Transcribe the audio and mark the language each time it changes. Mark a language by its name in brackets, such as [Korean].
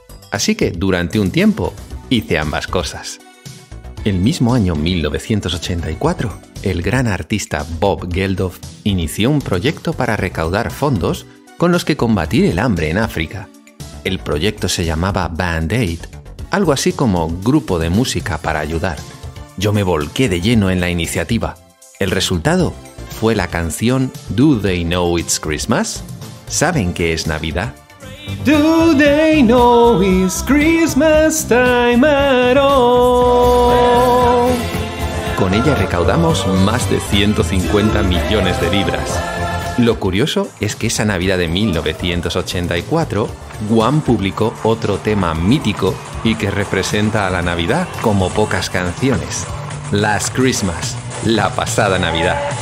[Spanish] Así que durante un tiempo, hice ambas cosas. El mismo año 1984, el gran artista Bob Geldof inició un proyecto para recaudar fondos con los que combatir el hambre en África. El proyecto se llamaba Band Aid, algo así como grupo de música para ayudar. Yo me volqué de lleno en la iniciativa. El resultado fue la canción Do They Know It's Christmas? ¿Saben que es Navidad? [English] Do they know it's Christmas time at all? [Spanish] Con ella recaudamos más de 150 millones de libras. Lo curioso es que esa Navidad de 1984, Wham publicó otro tema mítico y que representa a la Navidad como pocas canciones. Last Christmas, la pasada Navidad.